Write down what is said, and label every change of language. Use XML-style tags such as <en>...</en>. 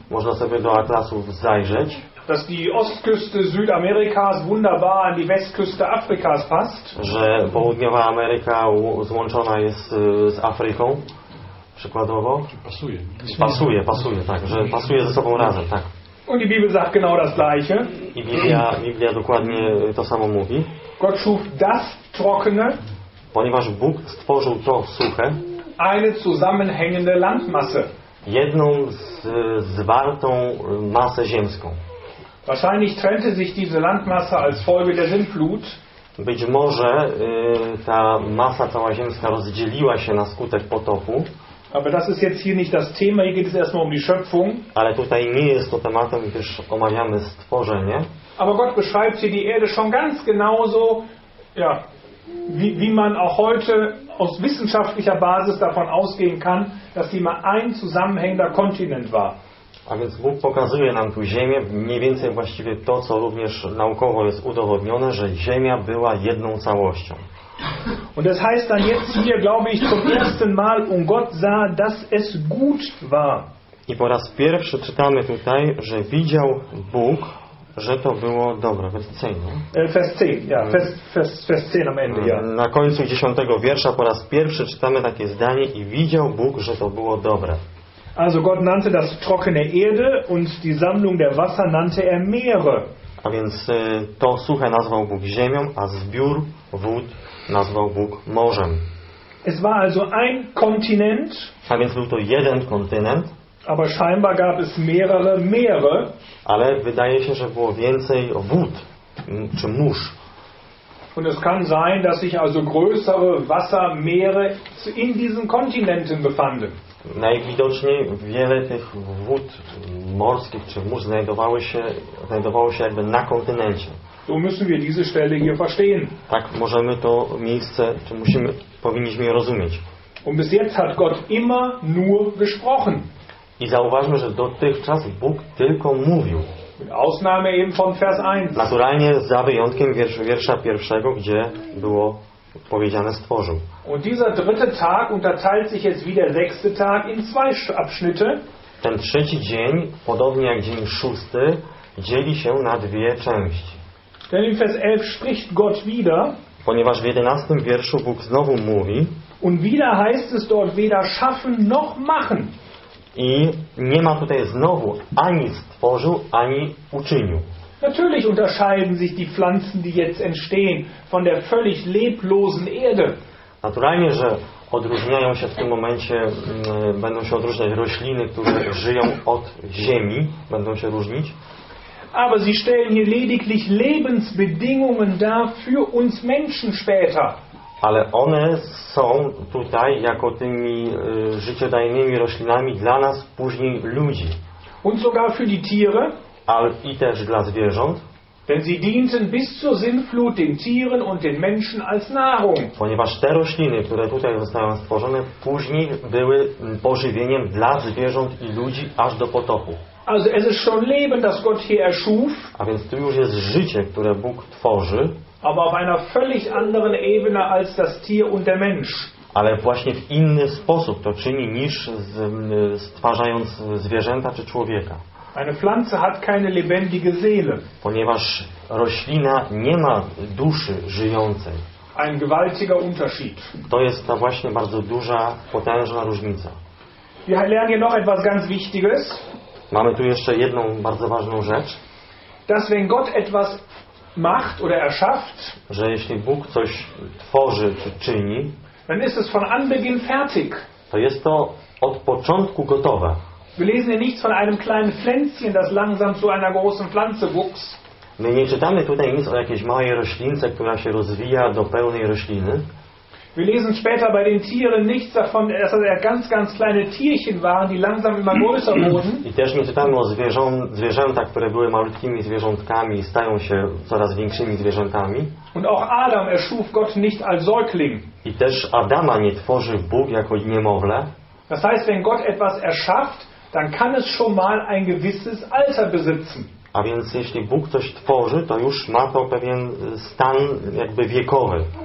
<pl>Można sobie do atlasów zajrzeć.</pl> <de>Dass die Ostküste Südamerikas wunderbar an die Westküste Afrikas passt.</de> <pl>Że południowa Ameryka złączona jest z Afryką. Przykładowo. Pasuje. Pasuje, pasuje, tak. Że pasuje ze sobą razem, tak.</pl> <de>Und die Bibel sagt genau das gleiche.</de> <pl>I Biblia dokładnie to samo mówi.</pl> <de>Gott schuf das Trockene.</de> <pl>Ponieważ Bóg stworzył to suche.</pl> <de>Eine zusammenhängende Landmasse.</de> <pl>Jedną zwartą masę ziemską.</pl> <de>Wahrscheinlich trennte sich diese Landmasse als Folge der Sintflut.</de> <pl>Być może ta masa cała ziemska rozdzieliła się na skutek potopu.</pl> <de>Aber das ist jetzt hier nicht das Thema, hier geht es erstmal um die Schöpfung.</de> <pl>Ale tutaj nie jest to tematem, gdyż omawiamy stworzenie.</pl> <de>Aber Gott beschreibt hier die Erde schon ganz genauso, ja, wie man auch heute aus wissenschaftlicher Basis davon ausgehen kann, dass sie mal ein zusammenhängender Kontinent war.</de> <pl>A więc Bóg pokazuje nam tu Ziemię, mniej więcej właściwie to, co również naukowo jest udowodnione, że Ziemia była jedną całością.</pl> <de>Und das heißt dann jetzt hier, glaube ich, zum ersten Mal, und Gott sah, dass es gut war.</de> <pl>I po raz pierwszy czytamy tutaj, że widział Bóg, że to było dobre.</pl> <de>Vers 10, ja. Vers 10 am Ende, ja.</de> <pl>Na końcu 10 wiersza po raz pierwszy czytamy takie zdanie, i widział Bóg, że to było dobre.</pl> <de>Also Gott nannte das trockene Erde und die Sammlung der Wasser nannte er Meere.</de> <pl>A więc to suche nazwał Bóg ziemią, a zbiór wód nazwał Bóg morzem.</pl> <de>Es war also ein Kontinent.</de> <pl>A więc był to jeden kontynent.</pl> <de>Aber scheinbar gab es mehrere Meere.</de> <pl>Ale wydaje się, że było więcej wód czy mórz.</pl> <de>Und es kann sein, dass sich also größere Wassermeere in diesen Kontinenten befanden.</de> <pl>Najwidoczniej wiele tych wód morskich czy mórz znajdowało się jakby na kontynencie.</pl> <de>So müssen wir diese Stelle hier verstehen.</de> <pl>Tak możemy to miejsce, czy musimy, powinniśmy je rozumieć.</pl> <de>Und bis jetzt hat Gott immer nur gesprochen.</de> <pl>I zauważmy, że dotychczas Bóg tylko mówił.</pl> <de>Ausnahme eben von Vers 1.</de> <pl>Naturalnie za wyjątkiem wiersza pierwszego, gdzie było powiedziane stworzył.</pl> <de>Und dieser dritte Tag unterteilt sich jetzt wie der sechste Tag in zwei Abschnitte.</de> <pl>Ten trzeci dzień, podobnie jak dzień szósty, dzieli się na dwie części.</pl> <de>Denn in Vers 11 spricht Gott wieder.</de> <pl>Ponieważ w 11 wierszu Bóg znowu mówi.</pl> <de>Und wieder heißt es dort weder schaffen noch machen.</de> <pl>I nie ma tutaj znowu ani stworzył, ani uczynił.</pl> <de>Natürlich unterscheiden sich die Pflanzen, die jetzt entstehen, von der völlig leblosen Erde.</de> <pl>Naturalnie, że odróżniają się w tym momencie, będą się odróżniać rośliny, które żyją od ziemi, będą się różnić.</pl> <de>Aber sie stellen hier lediglich Lebensbedingungen dar für uns Menschen später.</de> <pl>Ale one są tutaj jako tymi życiodajnymi roślinami dla nas później ludzi.</pl> <de>Und sogar für die Tiere.</de> <pl>Ale i też dla zwierząt.</pl> <de>Denn sie dienten bis zur Sintflut den Tieren und den Menschen als Nahrung.</de> <pl>Ponieważ te rośliny, które tutaj zostały stworzone, później były pożywieniem dla zwierząt i ludzi aż do potopu.</pl> <de>Also es ist schon Leben, das Gott hier erschuf.</de> <pl>A więc tu już jest życie, które Bóg tworzy.</pl> <de>Aber auf einer völlig anderen Ebene als das Tier und der Mensch.</de> <pl>Ale właśnie w inny sposób to czyni niż stwarzając zwierzęta czy człowieka.</pl> <de>Eine Pflanze hat keine lebendige Seele.</de> <pl>Ponieważ roślina nie ma duszy żyjącej.</pl> <de>Ein gewaltiger Unterschied.</de> <pl>To jest ta właśnie bardzo duża, potężna różnica.</pl> <de>Wir lernen hier noch etwas ganz Wichtiges.</de> <pl>Mamy tu jeszcze jedną bardzo ważną rzecz.</pl> <de>Dass wenn Gott etwas macht oder erschafft,</de> <pl>że jeśli Bóg coś tworzy czy czyni,</pl> <de>dann ist es von Anbeginn fertig.</de> <pl>To jest to od początku gotowe.</pl> <de>Wir lesen hier nichts von einem kleinen Pflänzchen, das langsam zu einer großen Pflanze wuchs.</de> <pl>My nie czytamy tutaj nic o jakiejś małej roślince, która się rozwija do pełnej rośliny.</pl> <de>Wir lesen später bei den Tieren nichts davon, dass es ganz, ganz kleine Tierchen waren, die langsam immer größer wurden.</de> <pl>I też nie czytamy o zwierzętach, które były malutkimi zwierzątkami i stają się coraz większymi zwierzętami.</pl> <de>Und auch Adam erschuf Gott nicht als Säugling.</de> <pl>I też Adama nie tworzył Bóg jako niemowlę.</pl> <de>Das heißt, wenn Gott etwas erschafft, dann kann es schon mal ein gewisses Alter besitzen.</de> <pl>A więc jeśli Bóg coś tworzy, to już ma to pewien stan jakby wiekowy.</pl>